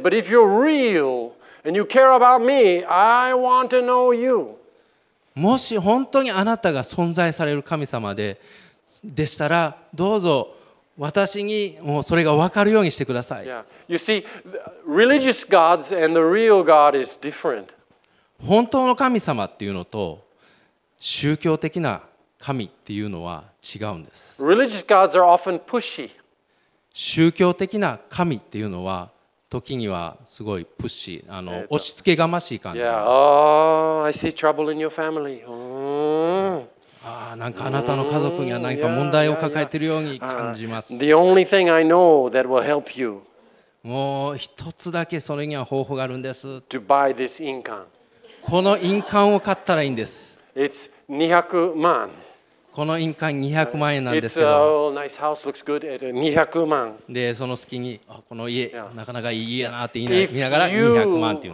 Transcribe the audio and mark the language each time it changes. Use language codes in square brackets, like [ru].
[en] But if you're real and you care about me, I want to know you. [ja] もし本当にあなたが存在される神様でしたら、どうぞ私にもそれが分かるようにしてください。 [en] You see, religious gods and the real God is different. [ja] 本当の神様っていうのと宗教的な神っていうのは違うんです。 [en] Religious gods are often pushy. [ja] 宗教的な神っていうのは時にはすごいプッシー、押し付けがましい感じ。 [en] I see trouble in your family. [ja] なんかあなたの家族には何か問題を抱えているように感じます。 [en] The only thing I know that will help you. [ja] もう一つだけそれには方法があるんです。 [en] To buy this 印鑑。 [ja] この印鑑を買ったらいいんです。 [en] It's 200万。 [ja] この印鑑200万円なんですけど、 200万。で、その隙に、この家、なかなかいい家やなって言いながら200万っていう。